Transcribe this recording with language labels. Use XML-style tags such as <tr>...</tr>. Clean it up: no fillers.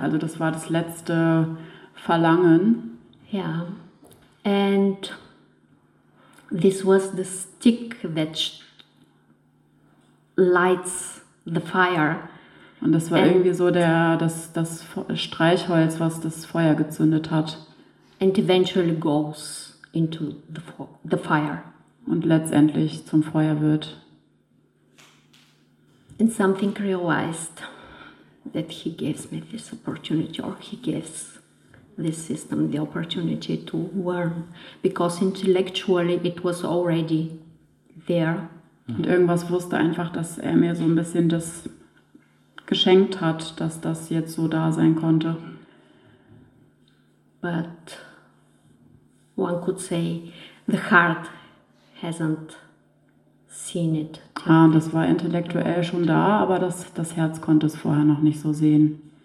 <de>Also das war das letzte Verlangen. Ja. Yeah.</de> <en>And this was the stick that lights the fire.</en> <de>Und das war irgendwie so das Streichholz, was das Feuer gezündet hat.</de> <en>And eventually goes into the fire.</en> <de>Und letztendlich zum Feuer wird.</de> <en>And something realized that he gives me this opportunity, or he gives this system the opportunity to learn, because intellectually it was already there.</en> <de>Und irgendwas wusste einfach, dass er mir so ein bisschen das geschenkt hat, dass das jetzt so da sein konnte.</de> <en>But one could say the heart hasn't seen it.</en> <de>Ah, das war intellektuell schon da, aber das Herz konnte es vorher noch nicht so sehen.</de>